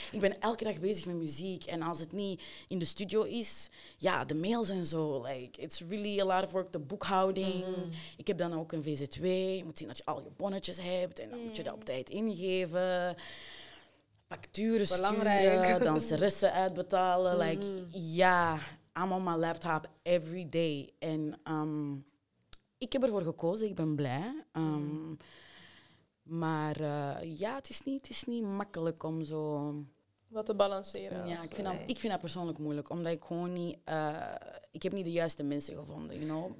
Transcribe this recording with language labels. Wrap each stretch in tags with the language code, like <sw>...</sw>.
<nl>Ik ben elke dag bezig met muziek. En als het niet in de studio is, ja, de mails en zo.</nl> <en>Like, it's really a lot of work.</en> <nl>De boekhouding. Mm. Ik heb dan ook een VZW. Je moet zien dat je al je bonnetjes hebt. En dan moet je dat op tijd ingeven. Facturen belangrijk. Sturen. Danseressen uitbetalen. Mm.</nl> <en>Like, ja, I'm on my laptop every day.</en> <nl>En ik heb ervoor gekozen, ik ben blij. Maar ja, het is niet makkelijk om zo wat te balanceren. Ja, ik vind dat persoonlijk moeilijk, omdat ik gewoon niet. Ik heb niet de juiste mensen gevonden.</nl> <en>You know?</en>